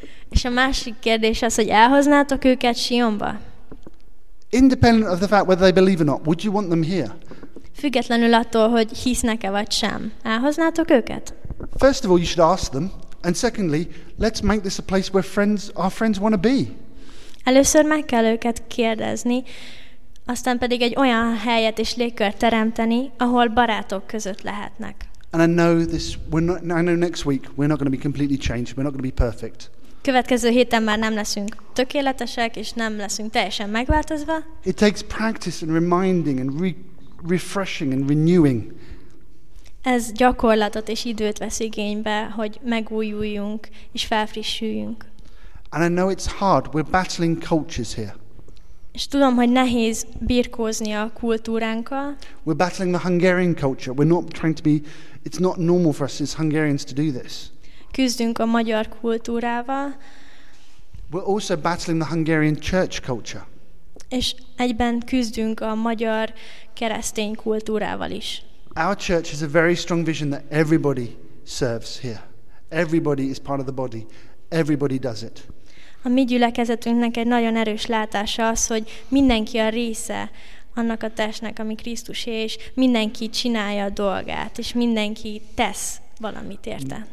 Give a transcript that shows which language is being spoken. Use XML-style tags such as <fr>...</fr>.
<hu>És a másik kérdés az, hogy elhoznátok őket Sionba?</hu> <en>Independent of the fact whether they believe or not, would you want them here?</en> <hu>Függetlenül attól, hogy hisznek-e vagy sem, elhoznátok őket?</hu> <en>First of all, you should ask them, and secondly, let's make this a place where our friends want to be.</en> <hu>Először meg kell őket kérdezni, aztán pedig egy olyan helyet és légkört teremteni, ahol barátok között lehetnek.</hu> <en>And I know next week we're not going to be completely changed, we're not going to be perfect.</en> <hu>Következő héten már nem leszünk tökéletesek, és nem leszünk teljesen megváltozva.</hu> <en>It takes practice and reminding and refreshing and renewing.</en> <hu>Ez gyakorlatot és időt vesz igénybe, hogy megújuljunk és felfrissüljünk.</hu> <en>And I know it's hard. We're battling cultures here.</en> <hu>És tudom, hogy nehéz birkózni a kultúránkkal.</hu> <en>We're battling the Hungarian culture. We're not trying to be, it's not normal for us as Hungarians to do this.</en> <hu>Küzdünk a magyar kultúrával.</hu> <en>We're also battling the Hungarian church culture.</en> <hu>És egyben küzdünk a magyar keresztény kultúrával is.</hu> <en>Our church has a very strong vision that everybody serves here. Everybody is part of the body. Everybody does it.</en> <hu>A mi gyülekezetünknek egy nagyon erős látása az, hogy mindenki a része annak a testnek, ami Krisztusé, és mindenki csinálja a dolgát, és mindenki tesz valamit érte.</hu>